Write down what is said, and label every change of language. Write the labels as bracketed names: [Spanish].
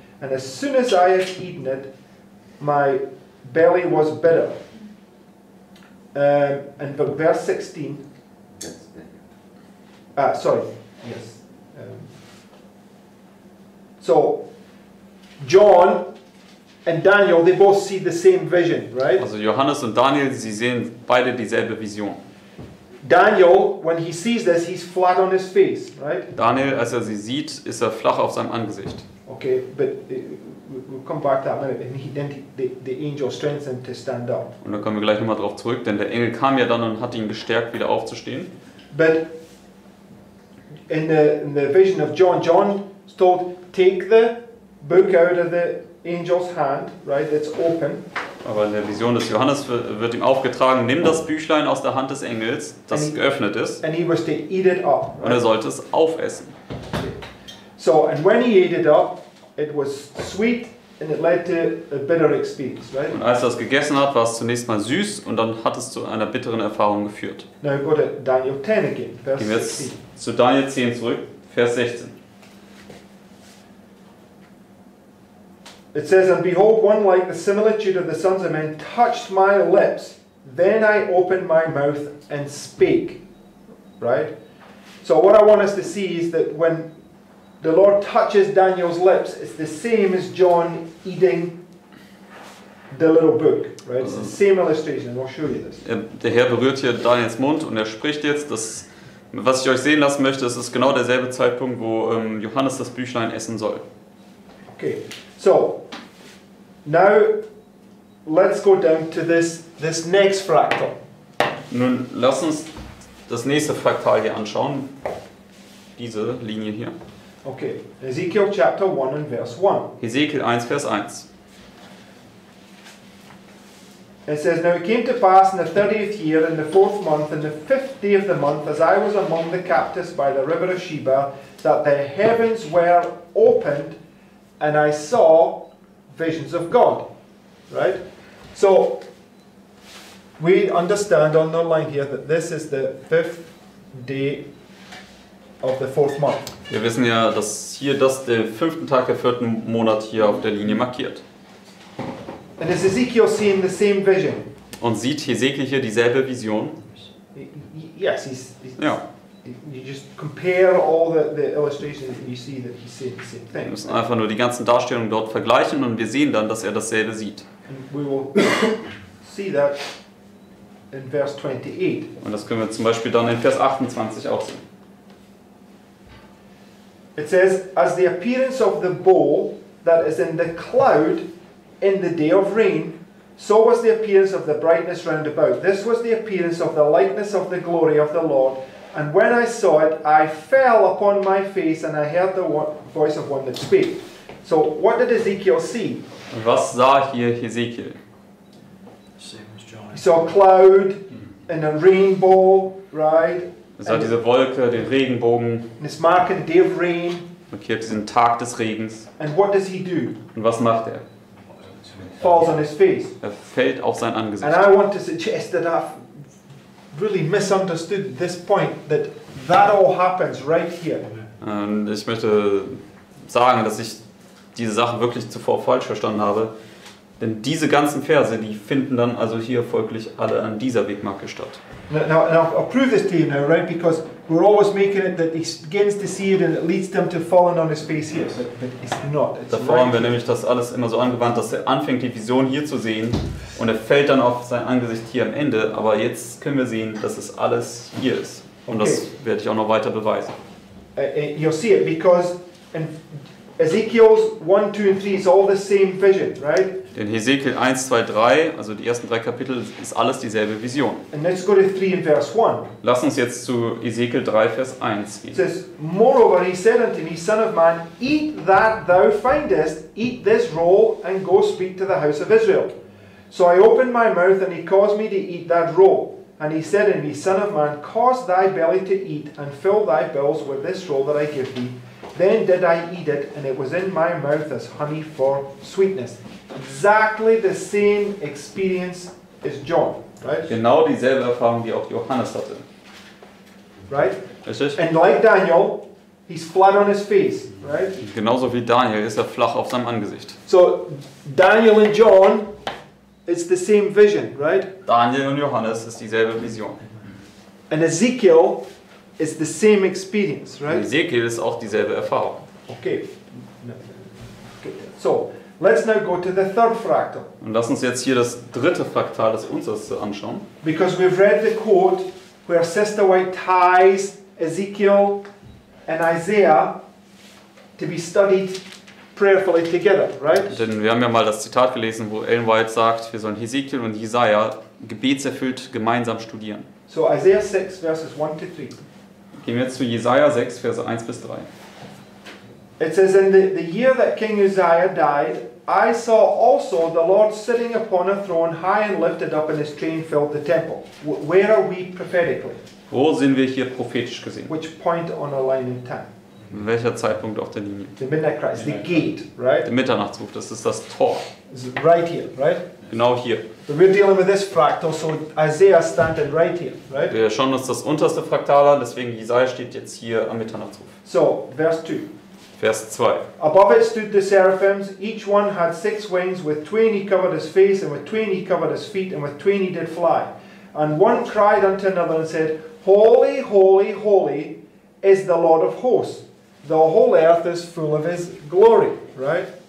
[English] And as soon as I had eaten it, my belly was bitter. And but verse 16. So, John and Daniel, they both see the same vision, right? [German] Also Johannes und Daniel, sie sehen beide dieselbe Vision. [English] Daniel, when he sees this, he's flat on his face, right? [German] Daniel, als er sie sieht, ist er flach auf seinem Angesicht. [English] Okay, but we'll come back to that minute. And then the angel strengthened to stand up. [German] Und dann kommen wir gleich nochmal drauf zurück, denn der Engel kam ja dann und hat ihn gestärkt, wieder aufzustehen. [English] But in the vision of John, John is told, take the book out of the angel's hand, right? It's open. [German] Aber in der Vision des Johannes wird ihm aufgetragen, nimm das Büchlein aus der Hand des Engels, das geöffnet ist. [English] And he was to eat it up, right? [German] Und er sollte es aufessen. [English] So, and when he ate it up, it was sweet and it led to a bitter experience, right? [German] Und als er es gegessen hat, war es zunächst mal süß und dann hat es zu einer bitteren Erfahrung geführt. [English] Now go to Daniel 10 again, verse 16. [German] Gehen wir jetzt zu Daniel 10 zurück, Vers 16. [English] It says, and behold, one like the similitude of the sons of men touched my lips. Then I opened my mouth and spake. Right? So what I want us to see is that when the Lord touches Daniel's lips, it's the same as John eating the little book. Right? It's the same illustration. I'll show you this. [German] Der Herr berührt hier Daniels Mund und spricht jetzt, dass, was ich euch sehen lassen möchte, es ist genau derselbe Zeitpunkt, wo Johannes das Büchlein essen soll. [English] Okay. So, now let's go down to this next fractal. [German] Nun lass uns das nächste Fraktal hier anschauen. Diese Linie hier. [English] Okay, Ezekiel chapter 1 and verse 1. [German] Ezekiel 1, Vers 1. [English] It says, now it came to pass in the 30th year, in the 4th month, in the 5th day of the month, as I was among the captives by the river of Sheba, that the heavens were opened, and I saw visions of God, right? So we understand on the line here that this is the 5th day of the 4th month. [German] Wir wissen ja, dass hier das der 5. Tag der 4. Monat hier auf der Linie markiert. [English] And is Ezekiel seeing the same vision? [German] Und sieht Ezekiel hier dieselbe Vision? [English] Yes, he's [German] ja. [English] You just compare all the illustrations and you see that he said the same thing. [German] Wir müssen einfach nur die ganzen Darstellungen dort vergleichen und wir sehen dann, dass dasselbe sieht. [English] And we will see that in verse 28. [German] Und das können wir zum Beispiel dann in Vers 28 auch sehen. [English] It says, as the appearance of the bowl that is in the cloud in the day of rain, so was the appearance of the brightness round about. This was the appearance of the likeness of the glory of the Lord. And when I saw it, I fell upon my face and I heard the voice of one that spake. So what did Ezekiel see? [German] Was sah hier Ezekiel? [English] He saw a cloud and a rainbow, right? [German] Er sah diese Wolke, den Regenbogen. [English] And it's marking the day of rain. [German] Markiert diesen Tag des Regens. [English] And what does he do? [German] Und was macht er? [English] Falls on his face. [German] Fällt auf sein Angesicht. [English] And I want to suggest that I've really misunderstood this point, that all happens right here. [German] Ich möchte sagen, dass ich diese Sache wirklich zuvor falsch verstanden habe. Denn diese ganzen Verse, die finden dann also hier folglich alle an dieser Wegmarke statt. [English] Now I'll prove this to you now, right? Because we're always making it that he begins to see it and it leads them to falling on his face here. But it's not. It's [German] davor right haben wir nämlich das alles immer so angewandt, dass er anfängt, die Vision hier zu sehen und er fällt dann auf sein Angesicht hier am Ende. Aber jetzt können wir sehen, dass es alles hier ist. Und okay, das werde ich auch noch weiter beweisen. [English] You'll see it because in Ezekiel 1, 2 and 3 is all the same vision, right? [German] Denn Hesekiel 1, 2, 3, also die ersten drei Kapitel, ist alles dieselbe Vision. [English] And let's go to 3 and verse 1. [German] Lass uns jetzt zu Hesekiel 3, Vers 1 gehen. [English] It says, moreover, he said unto me, son of man, eat that thou findest, eat this roll, and go speak to the house of Israel. So I opened my mouth, and he caused me to eat that roll. And he said unto me, son of man, cause thy belly to eat, and fill thy bowels with this roll that I give thee. Then did I eat it, and it was in my mouth as honey for sweetness. Exactly the same experience as John, right? [German] Genau dieselbe Erfahrung, die auch Johannes hatte. [English] Right? [German] Richtig? [English] And like Daniel, he's flat on his face, right? [German] Genauso wie Daniel ist er flach auf seinem Angesicht. [English] So, Daniel and John, it's the same vision, right? [German] Daniel und Johannes ist dieselbe Vision. [English] And Ezekiel is the same experience, right? [German] Und Ezekiel ist auch dieselbe Erfahrung. [English] Okay. So, let's now go to the third fractal. [German] Und lass uns jetzt hier das dritte Fraktal des Unsers anschauen. [English] Because we've read the quote where Sister White ties Ezekiel and Isaiah to be studied prayerfully together, right? [German] Denn wir haben ja mal das Zitat gelesen, wo Ellen White sagt, wir sollen Hesekiel und Jesaja gebetserfüllt gemeinsam studieren. [English] So Isaiah 6 verses 1 to 3. [German] Gehen wir jetzt zu Jesaja 6 Verse 1 bis 3. [English] It says, in the year that King Uzziah died, I saw also the Lord sitting upon a throne high and lifted up, and his train filled the temple. Where are we prophetically? [German] Wo sind wir hier prophetisch gesehen? [English] Which point on a line in time? [German] Welcher Zeitpunkt auf der Linie? [English] The midnight cry, the gate, right? [German] Der Mitternachtsruf, das ist das Tor. [English] It's right here, right? [German] Genau hier. [English] But we're dealing with this fractal, so Isaiah standing right here, right? [German] Wir schauen uns das unterste Fraktal an, deswegen Jesaja steht jetzt hier am Mitternachtsruf. [English] So, verse 2. [German] Vers 2. [English] Above it stood the seraphims, each one had six wings, with twain he covered his face, and with twain he covered his feet, and with twain he did fly. And one cried unto another and said, holy, holy, holy is the Lord of hosts. The whole earth is full of his glory, right?